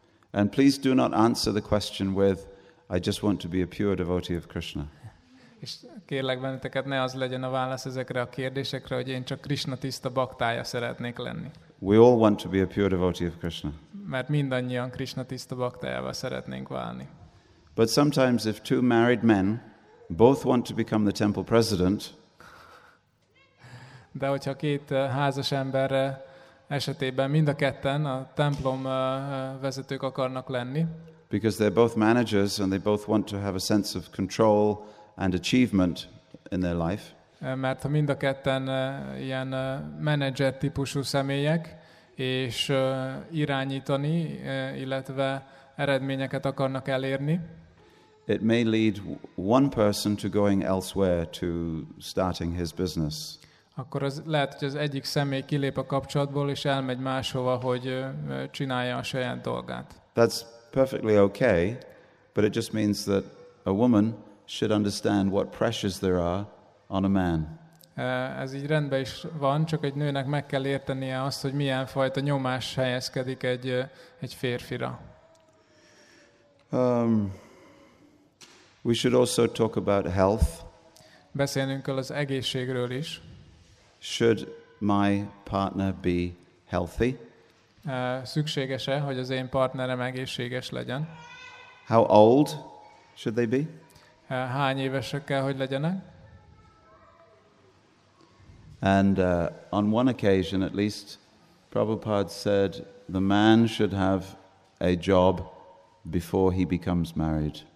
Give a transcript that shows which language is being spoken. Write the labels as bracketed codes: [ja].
[en] And please do not answer the question with, I just want to be a pure devotee of Krishna. [hu] És kérlek benneteket, ne az legyen a válasz ezekre a kérdésekre, hogy én csak Krishna tiszta baktája szeretnék lenni. [en] We all want to be a pure devotee of Krishna. [hu] Mert mindannyian Krishna tiszta baktájává szeretnénk válni. [en] But sometimes if two married men both want to become the temple president, [hu] de hogyha két házas ember esetében mind a ketten a templom vezetők akarnak lenni. [en] Because they're both managers and they both want to have a sense of control and achievement in their life. [hu] Mert ha mind a ketten ilyen menedzser típusú személyek, és irányítani, illetve eredményeket akarnak elérni. [en] It may lead one person to going elsewhere to starting his business. [hu] Akkor az lehet, hogy az egyik személy kilép a kapcsolatból és elmegy máshova, hogy csinálja a saját dolgát. [en] That's perfectly okay, but it just means that a woman should understand what pressures there are on a man. [hu] Ez így rendben is van, csak egy nőnek meg kell értenie azt, hogy milyen fajta nyomás helyezkedik egy férfira. [en] We should also talk about health. [hu] Beszélnünk kell az egészségről is. [en] Should my partner be healthy? [hu] Szükséges-e, hogy az én partnerem egészséges legyen? [en] How old should they be? [hu] Hány évesek kell, hogy legyenek? [en] And on one occasion at least, Prabhupada said the man should have a job before he becomes married.